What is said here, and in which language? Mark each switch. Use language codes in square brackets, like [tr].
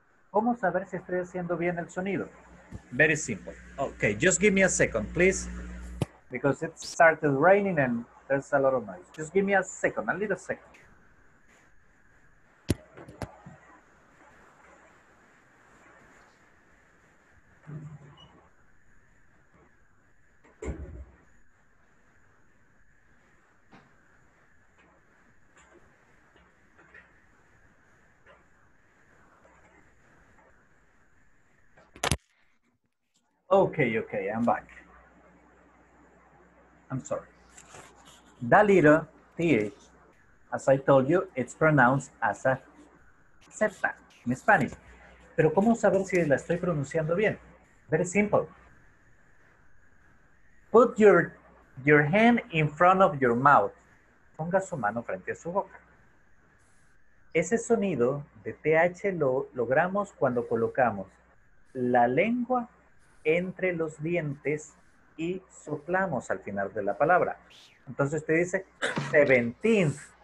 [es] ¿Cómo saber si estoy haciendo bien el sonido? [en] Very simple. Okay, just give me a second, please. Because it started raining and there's a lot of noise. Just give me a second, a little second. Okay, okay, I'm back. I'm sorry. That little TH, as I told you, it's pronounced as a Z in Spanish. [es] Pero ¿cómo saber si la estoy pronunciando bien? [en] Very simple. Put your hand in front of your mouth. [es] Ponga su mano frente a su boca. Ese sonido de TH lo logramos cuando colocamos la lengua entre los dientes y soplamos al final de la palabra. Entonces usted dice 17th.